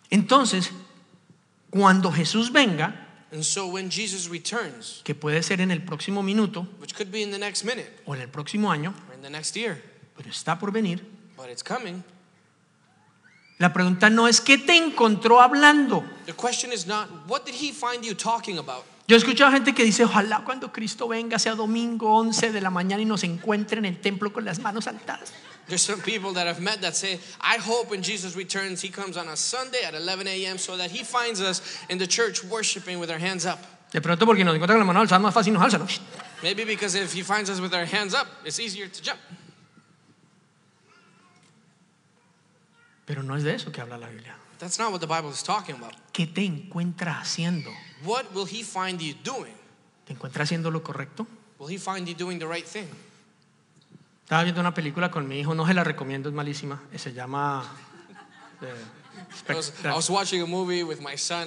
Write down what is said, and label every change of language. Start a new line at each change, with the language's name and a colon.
Spanish: Entonces, cuando Jesús venga,
English: and so when Jesus returns,
Spanish: que puede ser en el próximo minuto,
English: which could be in the next minute,
Spanish: o en el próximo año,
English: or in the next year,
Spanish: pero está por venir,
English: but it's coming.
Spanish: La pregunta no es qué te encontró hablando.
English: The question is not what did he find you talking about.
Spanish: Yo he escuchado gente que dice, ojalá cuando Cristo venga sea domingo 11 de la mañana y nos encuentre en el templo con las manos altas.
English: There's some people that I've met that say, I hope when Jesus returns, he comes on a Sunday at 11 a.m. so that he finds us in the church worshiping with our hands up.
Spanish: De pronto porque nos encuentra con las manos altas, más fácil nos alza.
English: Maybe because if he finds us with our hands up, it's easier to jump.
Spanish: Pero no es de eso que habla la Biblia.
English: That's not what the Bible is talking about.
Spanish: ¿Qué te encuentra haciendo?
English: What will he find you doing?
Spanish: ¿Te encuentra haciendo lo correcto?
English: Will he find you doing the right thing?
Spanish: Estaba viendo una película con mi hijo, no se la recomiendo, es malísima. Se llama
English: I was watching a movie with my son.